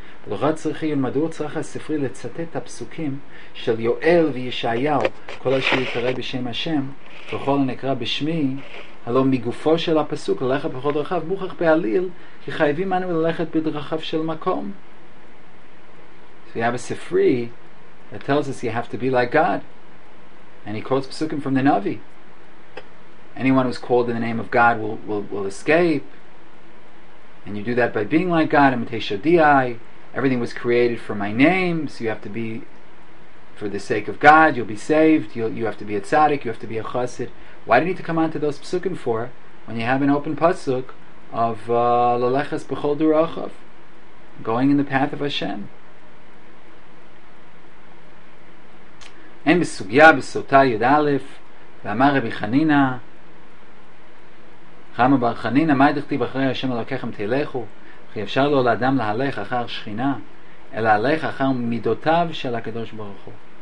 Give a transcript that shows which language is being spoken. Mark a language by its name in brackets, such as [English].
[Hebrew] ולכן צריכי, ומדוע צריך הספרי לצטט את הפסוקים של יואל וישעיהו, כל אשר יקרא בשם השם, וכל הנקרא בשמי, הלא מגופו של הפסוק, ללכת בכל דרכיו, מוכח בעליל, כי חייבים אנו ללכת בדרכיו של מקום. [English] So you have a ספרי that tells us you have to be like God. And he quotes פסוקים from the Navi. Anyone who's called in the name of God will escape. And you do that by being like God. Everything was created for my name. So you have to be, for the sake of God, you'll be saved. You have to be a tzaddik. You have to be a chassid. Why do you need to come on to those psukim for when you have an open pasuk of [Hebrew] lalechas b'chol durachav, [English] going in the path of Hashem? [Hebrew] En b'sugya b'sota yud alef v'amar Rabbi Chanina רמה בר חנין, עמד הכתיב אחרי השם הלוקחם תלכו, כי אפשר לו לאדם להלך אחר שכינה, אלא הלך אחר מידותיו של הקדוש ברוך הוא.